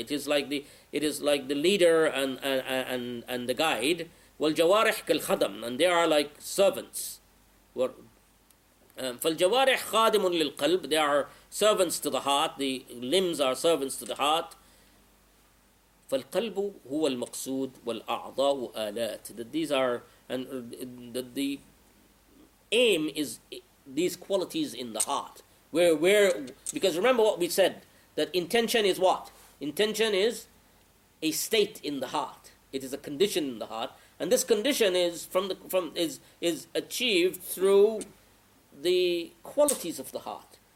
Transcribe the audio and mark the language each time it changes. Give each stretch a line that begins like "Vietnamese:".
English: It is like the leader and the guide.
Arabic: والجوارح كالخدم,
English: and they are like servants.
Arabic: فالجوارح خادم للقلب,
English: they are servants to the heart. The limbs are servants to the heart.
Arabic: فالقلب هو المقصود والأعضاء آلات.
English: That these are, and that the aim is these qualities in the heart. Where because remember what we said, that intention is what? Intention is a state in the heart. It is a condition in the heart. And this condition is from achieved through the qualities of the heart.